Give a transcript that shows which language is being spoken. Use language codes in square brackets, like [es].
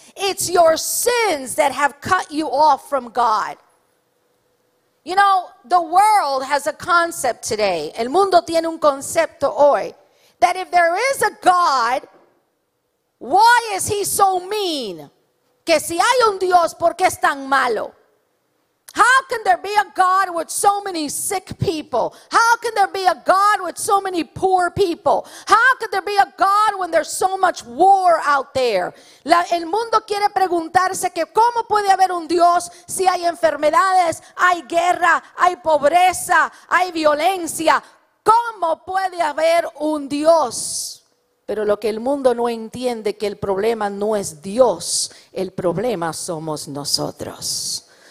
[en] It's your sins that have cut you off from God. You know, the world has a concept today. [es] El mundo tiene un concepto hoy. [en] That if there is a God, why is he so mean? [es] Que si hay un Dios, ¿por qué es tan malo? [en] How can there be a God with so many sick people? How can there be a God with so many poor people? How can there be a God when there's so much war out there? [es] El mundo quiere preguntarse que cómo puede haber un Dios si hay enfermedades, hay guerra, hay pobreza, hay violencia. ¿Cómo puede haber un Dios? Pero lo que el mundo no entiende, que el problema no es Dios, el problema somos nosotros.